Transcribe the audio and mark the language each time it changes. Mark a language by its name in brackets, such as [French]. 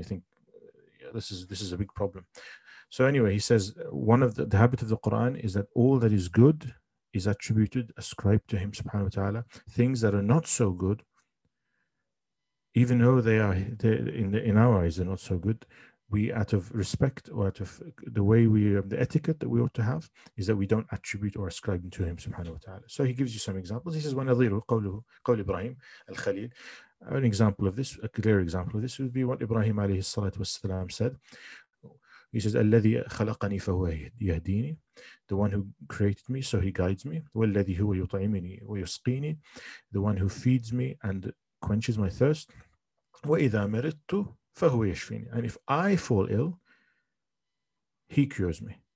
[English] I think, yeah, this is a big problem. So anyway, he says one of the habit of the Quran is that all that is good is attributed, ascribed to Him subhanahu wa ta'ala. Things that are not so good, even though they in our eyes they're not so good, we out of respect or out of the way we the etiquette that we ought to have is that we don't attribute or ascribe to him subhanahu wa ta'ala. So he gives you some examples. He says [Arabic] وَنَظِيرُ قَوْلُ إِبْرَاهِيمُ الْخَلِيلِ. [English] An example of this, a clear example of this would be what Ibrahim alayhi salatu wasalam said. He says [Arabic] الَّذِي خَلَقَنِي فَهُوَ يَهْدِينِ. [English] The one who created me, so he guides me. [Arabic] وَالَّذِي هُوَ يُطْعِمِنِي وَيُسْقِينِ. [English] The one who feeds me and quenches my thirst. [Arabic] وَإِذَا مَرِضْتُ فَهُوَ يَشْفِينِ. [English] And if I fall ill, he cures me.